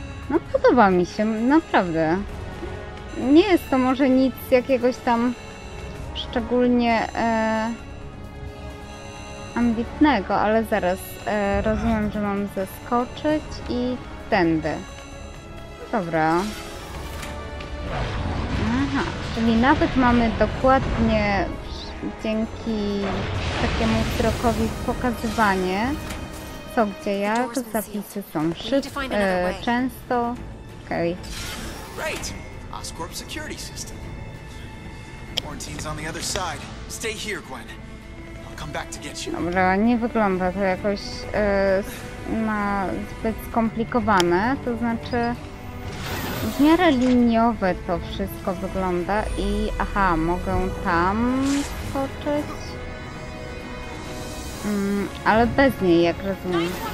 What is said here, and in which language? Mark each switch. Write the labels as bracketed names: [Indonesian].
[Polish] No, podoba mi się, naprawdę. Nie jest to może nic jakiegoś tam szczególnie ambitnego, ale zaraz rozumiem, że mam zeskoczyć i tędy. Dobra. Aha, czyli nawet mamy dokładnie dzięki takiemu wzrokowi pokazywanie, co gdzie jak, zapisy są szybko, często. Okej. [English] Great! Oscorp security system. Quarantine's on the other side. Stay here, Gwen. I'll [Polish] Dobra, nie wygląda to jakoś na zbyt skomplikowane, to znaczy w miarę liniowe to wszystko wygląda i aha, mogę tam skoczyć, ale bez niej, jak rozumiem.